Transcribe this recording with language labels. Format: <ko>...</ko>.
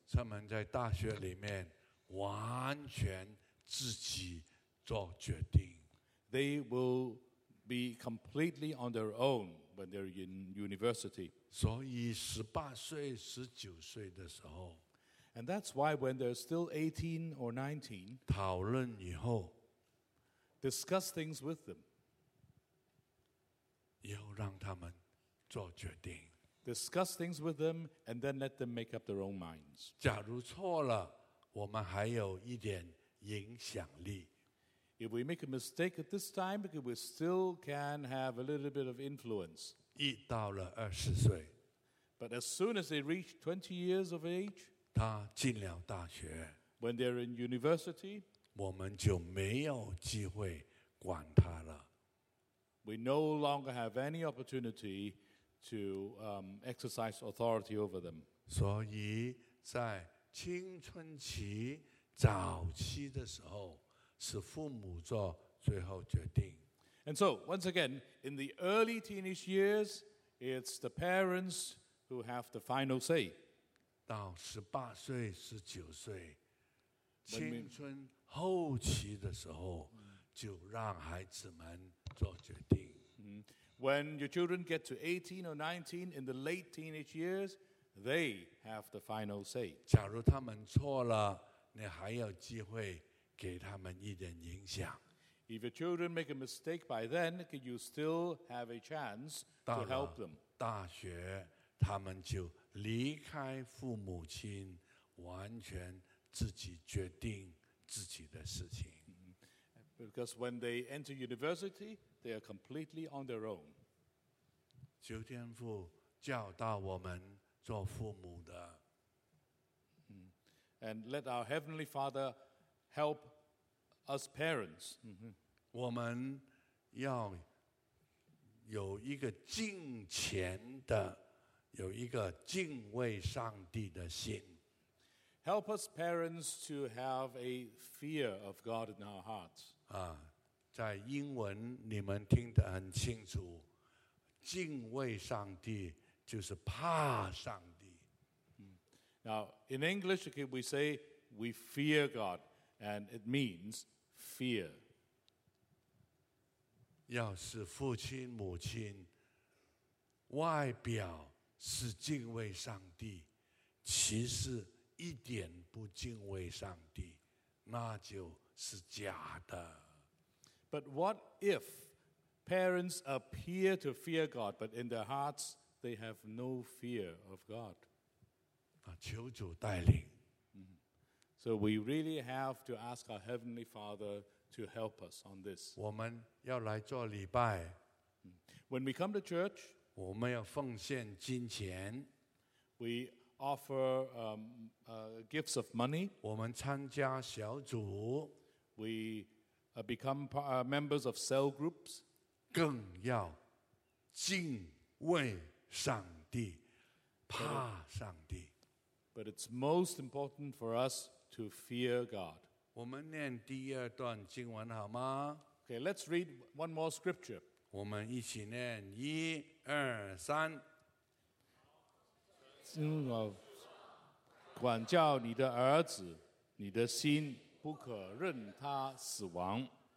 <zh>他们在大学里面完全自己做决定。</zh> <en>They will be completely on their own when they're in university.</en> <zh>所以十八岁、十九岁的时候。</zh> <en>And that's why when they're still 18 or 19,</en> <zh>讨论以后,</zh> <en>discuss things with them.</en> <zh>以后让他们做决定。</zh> <en>Discuss things with them and then let them make up their own minds.</en> <zh>假如错了,我们还有一点影响力。</zh> <en>If we make a mistake at this time, we still can have a little bit of influence.</en> <zh>一到了二十岁。</zh> <en>But as soon as they reach 20 years of age,</en> <zh>他进了大学</zh> <en>When they're in university,</en> <zh>我们就没有机会管他了。</zh> <en>We no longer have any opportunity to exercise authority over them.</en> <zh>所以在青春期早期的时候，是父母做最后决定。</zh> <en>And so, once again, in the early teenage years, it's the parents who have the final say.</en> <zh>到十八岁、十九岁，青春后期的时候，就让孩子们做决定。</zh> <en>When your children get to 18 or 19 in the late teenage years, they have the final say.</en> <zh>假如他们错了，你还有机会给他们一点影响。</zh> <en>If your children make a mistake by then, you still have a chance to help them.</en> <zh>大学，他们就离开父母亲，完全自己决定自己的事情。</zh> <en>Because when they enter university, they are completely on their own.</en> <zh>求天父教导我们做父母的。</zh> <en>And let our Heavenly Father help us parents.</en> <zh>我们要有一个敬虔的有一个敬畏上帝的心。</zh> <en>Help us parents to have a fear of God in our hearts.</en> <zh>在英文你们听得很清楚，敬畏上帝就是怕上帝。</zh> <en>Now, in English, we say we fear God, and it means fear.</en> <zh>要是父亲母亲外表是敬畏上帝，其实一点不敬畏上帝，那就是假的。</zh> <en>But what if parents appear to fear God, but in their hearts they have no fear of God?</en> <zh>求主带领。</zh> <en>So we really have to ask our Heavenly Father to help us on this.</en> <zh>我们要来做礼拜。</zh> <en>When we come to church,</en> <zh>我们要奉献金钱。</zh> <en>We offer gifts of money.</en> <zh>我们参加小组。</zh> <en>We become members of cell groups.</en> <zh>更要敬畏上帝，怕上帝。</zh> <en>But it's most important for us to fear God.</en> <zh>我们念第二段经文好吗？</zh> <en>Okay, let's read one more scripture.</en> <zh>我们一起念一二三。管教你的儿子，你的心不可任他死亡。</zh>